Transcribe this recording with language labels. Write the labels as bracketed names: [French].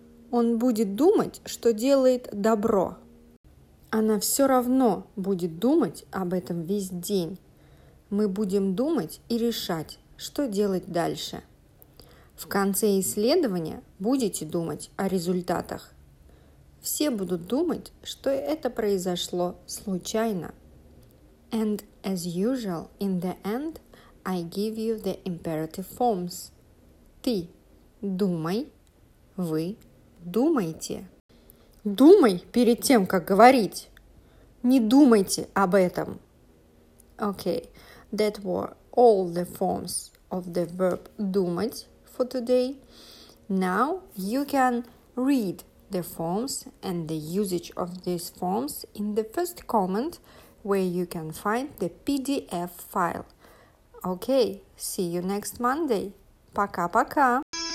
[Russian] Он будет думать, что делает добро. Она все равно будет думать об этом весь день. Мы будем думать и решать, что делать дальше. В конце исследования будете думать о результатах. Все будут думать, что это произошло случайно. [English] And as usual, in the end, I give you the imperative forms. [Russian] Ты думай, вы думайте. Думай перед тем, как говорить. Не думайте об этом. [English] Okay, that were all the forms of the verb думать for today. Now you can read the forms and the usage of these forms in the first comment where you can find the PDF file. Okay, see you next Monday. [Russian] Пока-пока!